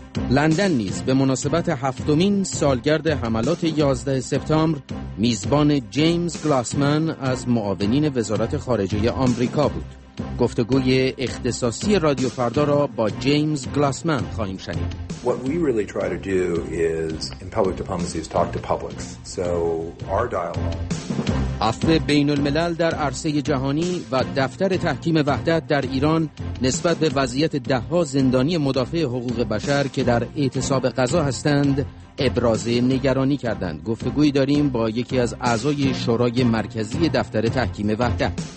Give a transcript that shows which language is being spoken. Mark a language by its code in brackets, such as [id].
[fa] لندن نیز به مناسبت هفتمین سالگرد حملات 11 سپتامبر میزبان جیمز گلاسمن از معاونین وزارت خارجه آمریکا بود. گفتگوی اختصاصی رادیو فردا را با جیمز گلاسمن خواهیم شنید. [en] What we really try to do is in public diplomacy is talk to publics. So our dialogue. [fa] عفو بین الملل در عرصه جهانی و دفتر تحکیم وحدت در ایران نسبت به وضعیت ده‌ها زندانی مدافع حقوق بشر که در اعتصاب قضا هستند ابراز نگرانی کردند. گفتگوی داریم با یکی از اعضای شورای مرکزی دفتر تحکیم وحدت.